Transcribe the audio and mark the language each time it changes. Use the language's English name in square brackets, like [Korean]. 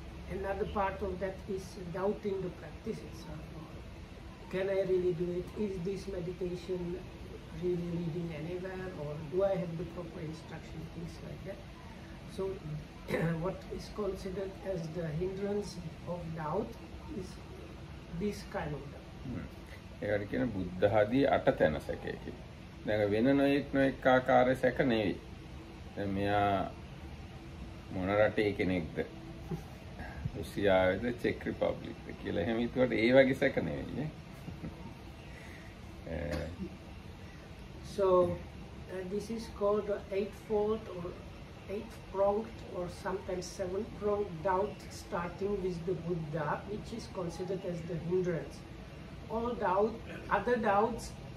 [English] another part of that is doubting the practice itself can I really do it is this meditation really leading anywhere or do I have the proper instruction things like that so what is considered as the hindrance of doubt is this kind of [Sinhala] ඒකට කියන බුද්ධහදී අට තැන සැකේ කියලා. දැන් වෙන නොයෙක් නොයෙක් ආකාරය සැක නෙවෙයි. දැන් මෙයා මොන රටේ කෙනෙක්ද? රුසියාවේද, චෙක් රිපබ්ලික්ද කියලා එහෙම හිතුවට ඒ වගේ සැක නෙවෙයි නේ. [English] So this is called eightfold or eight-pronged or sometimes seven-pronged doubt starting with the Buddha which is considered as the hindrance. All doubts, other doubts